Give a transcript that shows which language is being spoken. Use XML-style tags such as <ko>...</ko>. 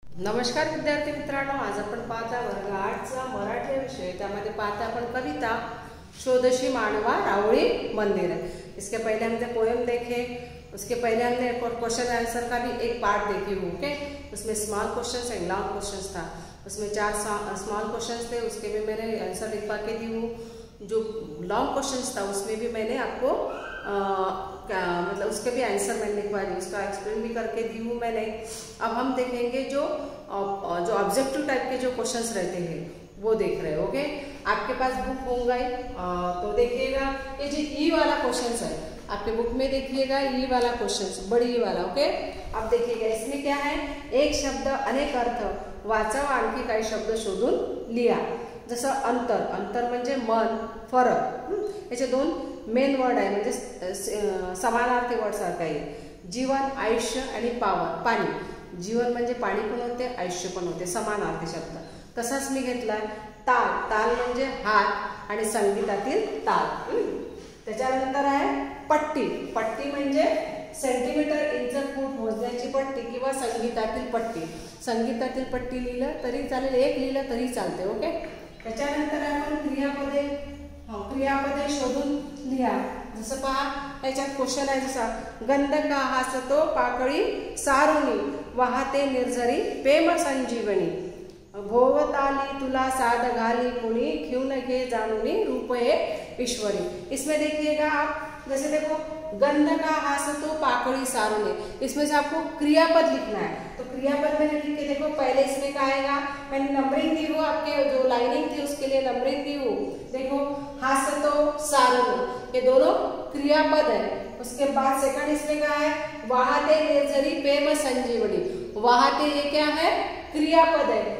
<mr>नमस्कार विद्यार्थी मित्रांनो, आज आपण पाचवा वर्ग 8 चा मराठी विषय, त्यामध्ये पाहता आपण कविता शोधशी मांडवा रावळी मंदिर।</mr> <hi>इसके पहले हमने पोएम देखे, उसके पहले हमने क्वेश्चन आंसर का भी एक पार्ट देखे हुए, ओके। उसमें small question and long question था, उसमें 4 स्मॉल क्वेश्चन थे, उसके भी मैंने आंसर लिखवा के दी हूँ। जो लॉन्ग क्वेश्चन था उसमें भी मैंने आपको मतलब उसके भी आंसर मैंने लिखवा दी, उसका एक्सप्लेन भी करके दी हूँ मैंने। अब हम देखेंगे जो जो ऑब्जेक्टिव टाइप के जो क्वेश्चंस रहते हैं वो देख रहे हो, ओके। आपके पास बुक होगा तो देखिएगा, ये जो ई वाला क्वेश्चन है आपके बुक में देखिएगा, ई वाला क्वेश्चन बड़ी ई वाला, ओके।</hi> <mr>अब देखिएगा इसमें क्या है, एक शब्द अनेक अर्थ वाचा आणखी काही शब्द शोधून लिया। जसं अंतर, अंतर म्हणजे मन, फरक, याचे दोन मेन वर्ड आहे, म्हणजे समानार्थी वर्ड सारखं आहे। जीवन, आयुष्य आणि पावर, पाणी, जीवन म्हणजे पाणी पण होते, आयुष्य पण होते, समानार्थी शब्द। तसाच मी घेतला ताल, ताल म्हणजे हात आणि संगीतातील ताल। त्याच्यानंतर आहे पट्टी, पट्टी म्हणजे सेंटीमीटर इंच फूट मोजण्याची पट्टी किंवा संगीतातील पट्टी। संगीतातील पट्टी लिहिलं तरी चालेल, एक लिहिलं तरी चालते, ओके। त्याच्यानंतर आपण क्रियापदे, क्रियापदे शोधून लिहा। जसं पहा याच्यात क्वेश्चन आहे, जसा गंधक हसतो पाकळी सारुनी वाहते निर्झरी प्रेम संजीवनी भोवताली तुला साध घाली कुणी घेऊन घे जाणुनी रूप हे ईश्वरी।</mr> <hi>इसमें देखिएगा आप, जैसे देखो</hi> <mr>गंधक हसतो पाकळी सारुनी,</mr> <hi>इसमें से आपको क्रियापद लिखना है, तो क्रियापद मैंने लिख के देखो पहले इसमें क्या आएगा, मैंने नंबरिंग दी हूँ आपके जो लाइनिंग थी उसके लिए नंबरिंग दी हूँ। देखो हसतो सारुनी ये दोनों क्रियापद है, उसके बाद सेकंड इसमें क्या है,</hi> <mr>वाहते निर्जरी प्रेम संजीवनी,</mr> <hi>वाहते ये क्या है क्रियापद है।</hi>